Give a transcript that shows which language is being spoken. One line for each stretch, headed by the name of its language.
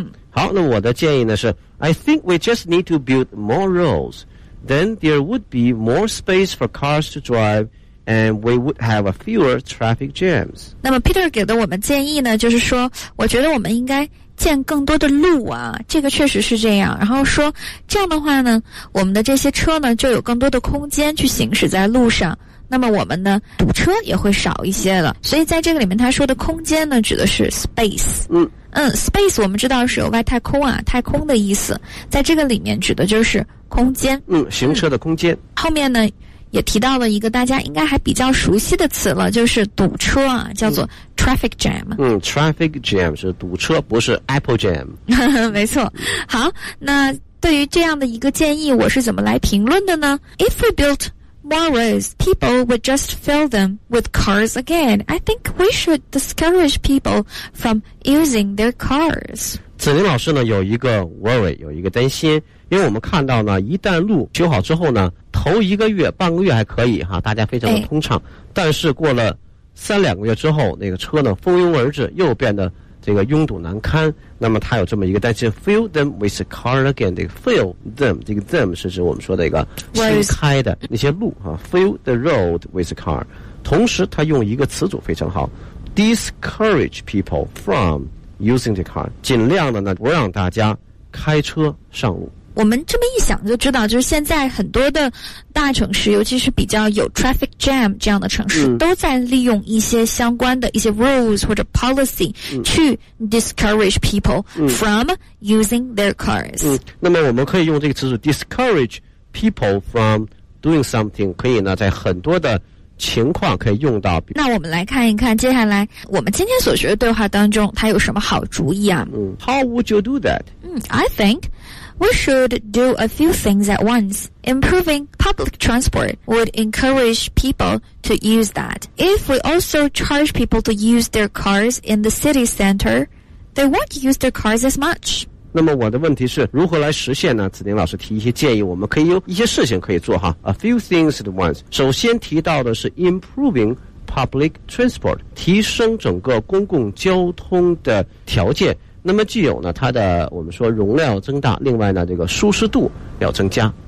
Chinese: 嗯好，那我的建议呢是
English: ，I think we just need to build more roads， then there would be more space for cars to drive。 And we would have a fewer traffic jams.
Chinese: 那么 Peter 给的我们建议呢，就是说，我觉得我们应该建更多的路啊，这个确实是这样。然后说，这样的话呢，我们的这些车呢，就有更多的空间去行驶在路上。那么我们呢，堵车也会少一些了。所以在这个里面，他说的空间呢，指的是 space。嗯嗯 ，space 我们知道是有外太空啊，太空的意思，在这个里面指的就是空间。嗯，行车的空间。嗯、后面呢？也提到了一个大家应该还比较熟悉的词了，就是堵车啊，叫做 traffic jam。嗯 ，traffic jam 是堵车，不是 apple jam。没错。好，那对于这样的一个建议，我是怎么来评论的呢 ？
English: If we built more roads, people would just fill them with cars again. I think we should discourage people from using their cars.
Chinese: 子林老师呢，有一个 worry， 有一个担心。因为我们看到呢，一旦路修好之后呢，头一个月、半个月还可以哈，大家非常的通畅。哎、但是过了三两个月之后，那个车呢蜂拥而至，又变得这个拥堵难堪。那么他有这么一个担心 ，
English: fill them with a car again。
Chinese: 这个 fill them， 这个 them 是指我们说的一个新开的那些路哈 ，
English: fill the road with a car。
Chinese: 同时，他用一个词组非常好 ，
English: discourage people from using the car，
Chinese: 尽量的呢不让大家开车上路。我们这么一想就知道，就是现在很多的大城市，尤其是比较有 traffic jam 这样的城市、嗯、都在利用一些相关的一些 rules 或者 policy、嗯、
English: 去 discourage people、嗯、 from using their cars、
Chinese: 嗯、那么我们可以用这个词组
English: discourage people from doing something，
Chinese: 可以呢在很多的情况可以用到。那我们来看一看接下来我们今天所学的对话当中它有什么好主意啊、
English: 嗯、How would you do that?、嗯、I thinkWe should do a few things at once. Improving public transport would encourage people to use that. If we also charge people to use their cars in the city center, they won't use their cars as much.
Chinese: 那么我的问题是如何来实现呢？子宁老师提一些建议，我们可以有一些事情可以做哈。
English: A few things at once.
Chinese: 首先提到的是
English: improving public transport，
Chinese: 提升整个公共交通的条件。那么既有呢它的我们说容量增大，另外呢这个舒适度要增加。